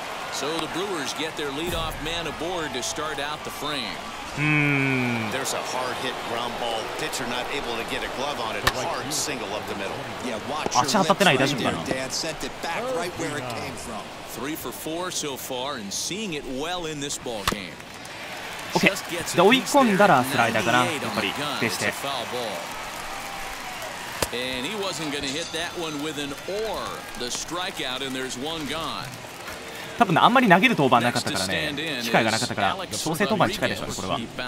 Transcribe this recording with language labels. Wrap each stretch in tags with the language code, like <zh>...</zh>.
<en>So the Brewers get their leadoff man aboard to start out the frame. There's a hard hit ground ball. Pitcher not able to get a glove on it. Hard single up the middle. Yeah, watch your lips.</en> <ja>足当たってない、大丈夫かな。</ja> <en>Dad sent it back right where it came from. 3-for-4 so far and seeing it well in this ball game. Okay.</en> <ja>で追い込んだらスライダーかな、やっぱりでして。</ja> <en>And he wasn't going to hit that one with an or the strikeout and there's one gone.</en> <ja>多分あんまり投げる登板なかったからね、機会がなかったから、調整登板に近いでしょうね、これは。</ja>